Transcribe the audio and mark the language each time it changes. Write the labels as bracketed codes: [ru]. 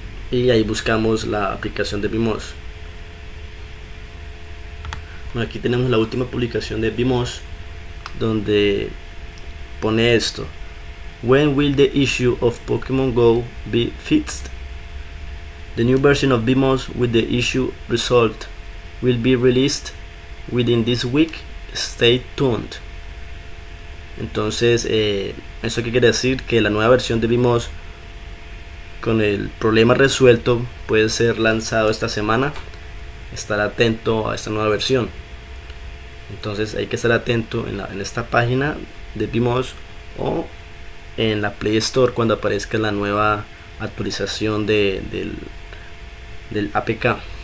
[es] Y ahí buscamos la aplicación de Bimos. Bueno, aquí tenemos la última publicación de Bimos, donde pone esto: [en] When will the issue of Pokémon Go be fixed? The new version of Bimos with the issue resolved will be released within this week. Stay tuned. [es] Entonces, ¿eso qué quiere decir? Que la nueva versión de Bimos con el problema resuelto puede ser lanzado esta semana. Estar atento a esta nueva versión. Entonces, hay que estar atento en esta página de Bimos o en la Play Store cuando aparezca la nueva actualización del APK.